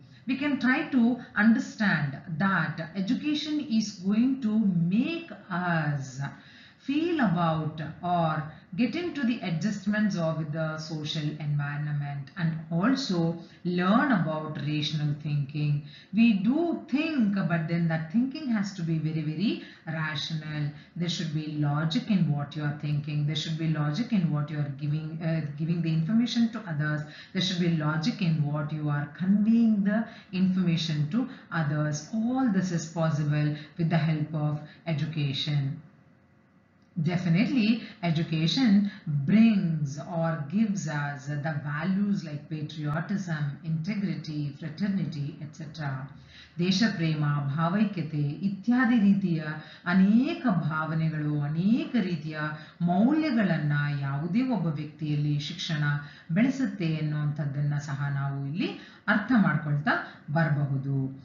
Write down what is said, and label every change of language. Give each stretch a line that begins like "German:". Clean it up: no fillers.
English: We can try to understand that education is going to make us feel about our getting to the adjustments of the social environment and also learn about rational thinking. We do think, but then that thinking has to be very, very rational. There should be logic in what you are thinking. There should be logic in what you are giving the information to others. There should be logic in what you are conveying the information to others. All this is possible with the help of education. Definitely, education brings or gives us the values like patriotism, integrity, fraternity, etc.
Kannada: ದೇಶ ಪ್ರೇಮ, ಭಾವೈಕ್ಯತೆ ಇತ್ಯಾದಿ ರೀತಿಯ ಅನೇಕ ಭಾವನೆಗಳು, ಅನೇಕ ರೀತಿಯ ಮೌಲ್ಯಗಳನ್ನು ಯಾವುದೇ ಒಬ್ಬ ವ್ಯಕ್ತಿಯಲ್ಲಿ ಶಿಕ್ಷಣ ಬೆಳೆಸುತ್ತೆ ಎನ್ನುವಂಥದ್ದನ್ನು ಸಹ ನಾವು ಇಲ್ಲಿ ಅರ್ಥ ಮಾಡ್ಕೊಳ್ತಾ ಬರಬಹುದು.